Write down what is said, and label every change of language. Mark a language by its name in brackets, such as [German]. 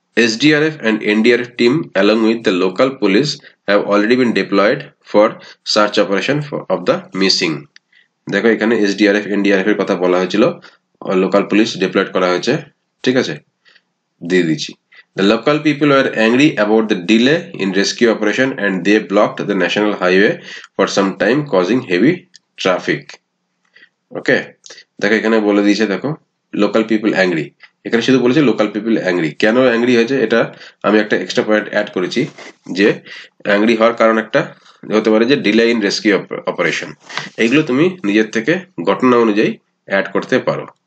[English] SDRF and NDRF team along with the local police have already been deployed for search operation of the missing. [Bangla] দেখো এখানে SDRF NDRF এর কথা বলা হয়েছিল, local police diploid করা হয়েছে, ঠিক আছে, দিয়ে দিচ্ছি। [English] The local people were angry about the delay in rescue operation and they blocked the national highway for some time causing heavy traffic. Okay, [Bangla] দেখো এখানে বলে দিয়েছে, দেখো [English] local people angry, [Bangla] এখানে শুধু বলেছে লোকাল পিপল অ্যাংরি, কেন অ্যাংরি হয়েছে এটা আমি একটা এক্সট্রা পয়েন্ট অ্যাড করেছি, যে অ্যাংরি হওয়ার কারণ একটা হতে পারে যে ডিলে ইন রেস্কিউ অপারেশন, এইগুলো তুমি নিজের থেকে ঘটনা অনুযায়ী অ্যাড করতে পারো।